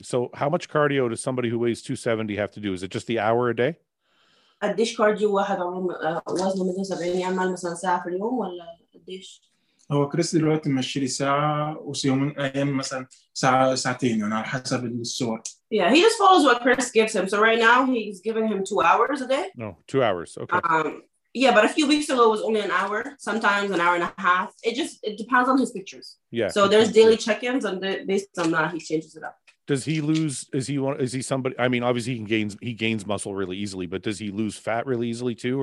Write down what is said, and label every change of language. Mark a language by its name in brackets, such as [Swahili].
[English] So how much cardio does somebody who weighs 270 have to do? Is it just the hour a day? [Arabic] قديش كارديو واحد وزنه 270 يعمل مثلا ساعة في اليوم ولا قديش؟ هو كريس دلوقتي ماشي لي ساعة وسيوم أيام مثلا ساعة ساعتين يعني على حسب الصور. [English] Yeah, he just follows what Chris gives him. So right now he's giving him 2 hours a day. No, 2 hours. Okay. Yeah, but a few weeks ago it was only an hour, sometimes an hour and a half. It depends on his pictures. Yeah. So there's daily check-ins and based on that he changes it up. Does he lose, is he somebody, I mean, obviously he gains muscle really easily, but does he lose fat really easily too?